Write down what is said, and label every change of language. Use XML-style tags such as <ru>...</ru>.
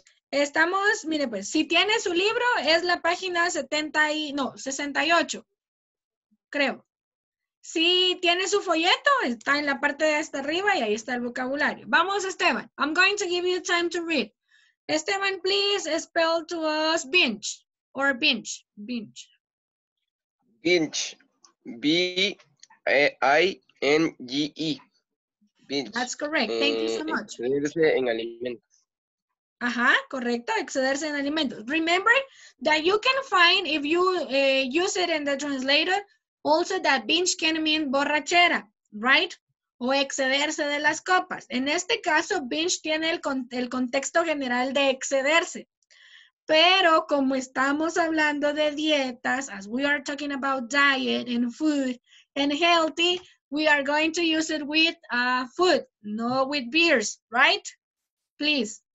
<es>Estamos, mire pues, si tiene su libro, es la página 68, creo. Si tiene su folleto, está en la parte de hasta arriba y ahí está el vocabulario. Vamos, Esteban.</es> <en>I'm going to give you time to read. Esteban, please spell to us binge or binge. Binge. Binge. B-I-N-G-E. Binge. That's correct. Thank you so much.</en> <es>Excederse en alimentos. Ajá, correcto. Excederse en alimentos.</es> <en>Remember that you can find, if you use it in the translator, also that binge can mean borrachera, right?</en> <es>O excederse de las copas. En este caso, binge tiene el contexto general de excederse. Pero como estamos hablando de dietas,</es> <en>as we are talking about diet and food and healthy, we are going to use it with food, no with beers, right? Please,</en>